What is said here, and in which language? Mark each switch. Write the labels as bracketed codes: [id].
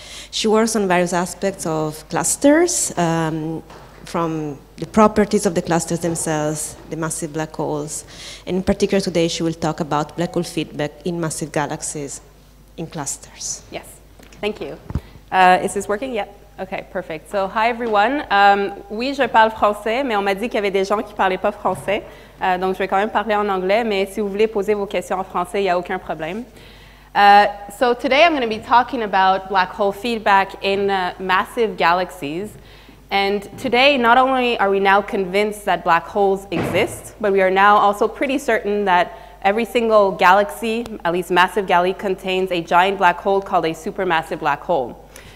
[en] She works on various aspects of clusters, from the properties of the clusters themselves, the massive black holes, and in particular today she will talk about black hole feedback in massive galaxies in clusters. Yes, thank you. Is this working? Yep. Okay, perfect. So, hi everyone. [fr] Oui, je parle français, mais on m'a dit qu'il y avait des gens qui parlaient pas français. Donc, je vais quand même parler en anglais, mais si vous voulez poser vos questions en français, il n'y a aucun problème. [en] So, today I'm going to be talking about black hole feedback in massive galaxies. And today, not only are we now convinced that black holes exist, but we are now also pretty certain that every single galaxy, at least massive galaxy, contains a giant black hole called a supermassive black hole.